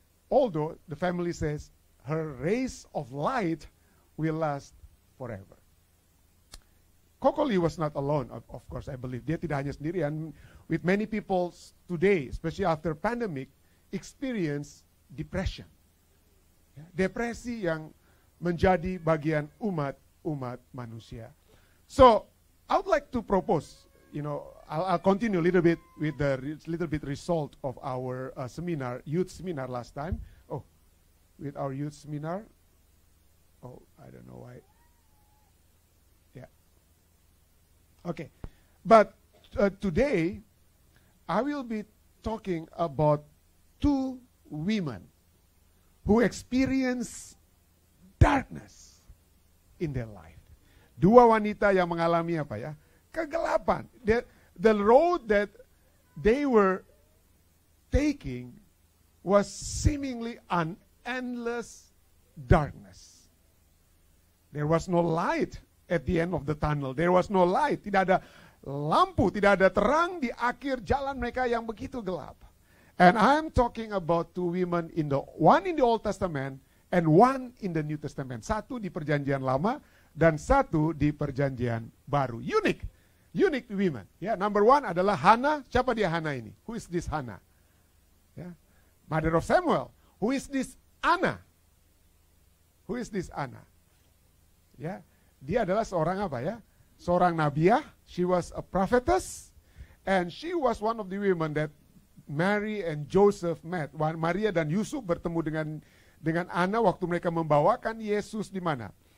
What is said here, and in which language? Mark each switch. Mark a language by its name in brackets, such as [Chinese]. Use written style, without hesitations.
[English] Although the family says her rays of light will last forever. Coco Lee was not alone, of course, I believe. [Indonesian] Dia tidak hanya sendiri. [English] And with many people today, especially after pandemic, experience depression. [Indonesian] Depresi yang menjadi bagian umat manusia. [English] So, I would like to propose, you know, I'll continue a little bit with the little bit result of our seminar, youth seminar last time. Oh, with our youth seminar. Oh, I don't know why. Okay, but today, I will be talking about two women who experience darkness in their life. [Indonesian] Dua wanita yang mengalami apa ya? Kegelapan. [English] The road that they were taking was seemingly an endless darkness. There was no light at the end of the tunnel. There was no light. [Indonesian] Tidak ada lampu, tidak ada terang di akhir jalan mereka yang begitu gelap. [English] And I'm talking about two women, one in the Old Testament and one in the New Testament. [Indonesian] Satu di Perjanjian Lama dan satu di Perjanjian Baru. [English] Unique women. Yeah, number one [Indonesian] adalah [English] Hannah. [Indonesian] Siapa dia Hannah ini? [English] Who is this Hannah? Yeah. Mother of Samuel. Who is this Anna? Who is this Anna? Yeah. [Indonesian] Dia adalah seorang apa ya? Seorang nabiah. [English] She was a prophetess. And she was one of the women that Mary and Joseph met. [Indonesian] Maria dan Yusuf bertemu dengan Anna waktu mereka membawakan Yesus di mana?